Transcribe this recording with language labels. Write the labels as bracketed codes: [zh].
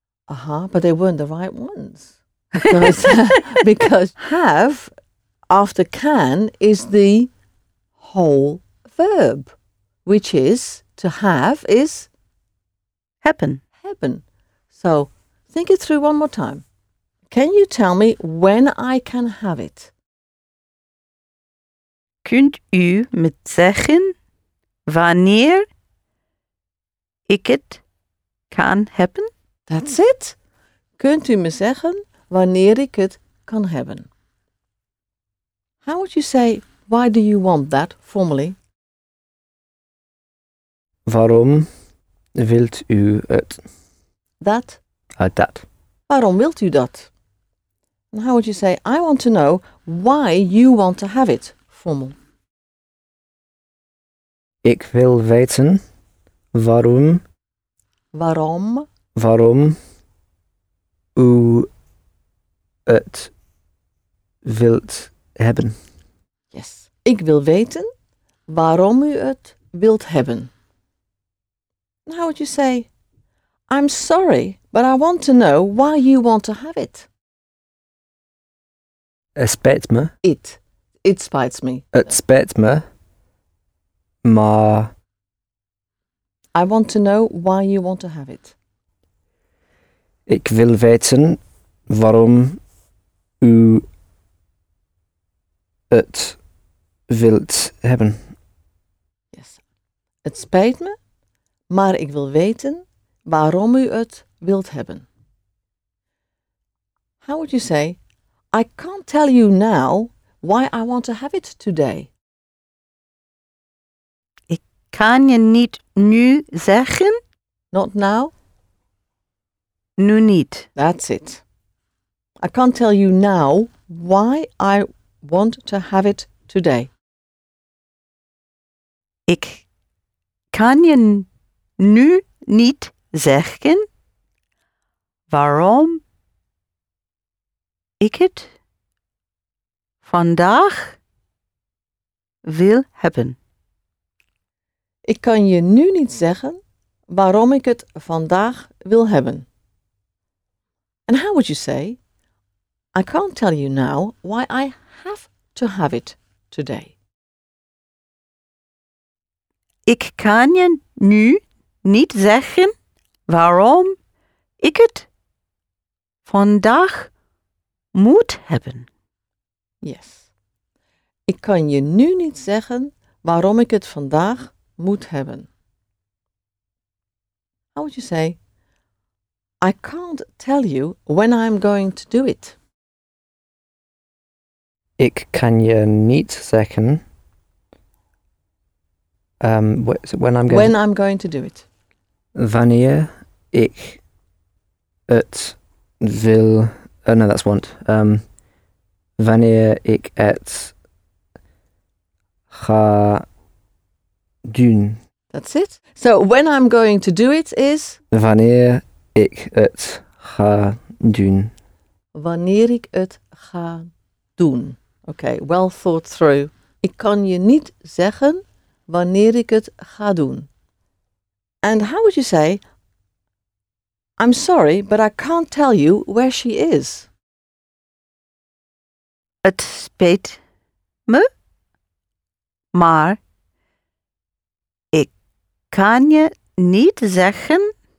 [en] Uh-huh, but they weren't the right ones. Because have after can is the whole verb, which is to have is? Happen. Happen. So think it through one more time. Can you tell me when I can have it? [nl] Kunt u me zeggen wanneer ik het kan hebben? [en] That's it. [nl] Kunt u me zeggen wanneer ik het kan hebben? [en] How would you say, why do you want that formally? [nl] Waarom wilt u het? [en] That? [nl] Dat. Waarom wilt u dat? [en] And how would you say, I want to know why you want to have it formal? [nl] Ik wil weten waarom. Waarom? Waarom u het wilt hebben. [en] Yes. [nl] Ik wil weten waarom u het wilt hebben. [en] And how would you say, I'm sorry, but I want to know why you want to have it? [nl] Het spijt me. [en] It spites me. [nl] Het spijt me. Maar. [en] I want to know why you want to have it. [nl] Ik wil weten waarom u het wilt hebben. [en] Yes. [nl] Het spijt me, maar ik wil weten waarom u het wilt hebben. [en] How would you say, I can't tell you now why I want to have it today. [nl] Ik kan je niet nu zeggen. [en] Not now. [nl] Nu niet. [en] That's it. I can't tell you now why I want to have it today. [nl] Ik kan je nu niet zeggen waarom ik het vandaag wil hebben. Ik kan je nu niet zeggen waarom ik het vandaag wil hebben. [en] And how would you say, I can't tell you now why I have to have it today. [nl] Ik kan je nu niet zeggen waarom ik het vandaag moet hebben. [en] Yes. [nl] Ik kan je nu niet zeggen waarom ik het vandaag moet hebben. [en] How would you say, I can't tell you when I'm going to do it. [nl] Ik kan je niet zeggen [en] when I'm going to do it. [nl] Wanneer ik het wil. [en] Oh, no, that's want. [nl] Wanneer ik het ga doen. [en] That's it. So, when I'm going to do it is? [nl] Wanneer ik het ga doen. Wanneer ik het ga doen. [en] Okay, well thought through. [nl] Ik kan je niet zeggen wanneer ik het ga doen. [en] And how would you say, I'm sorry, but I can't tell you where she is. [nl] Het spijt me, maar ik kan je niet zeggen.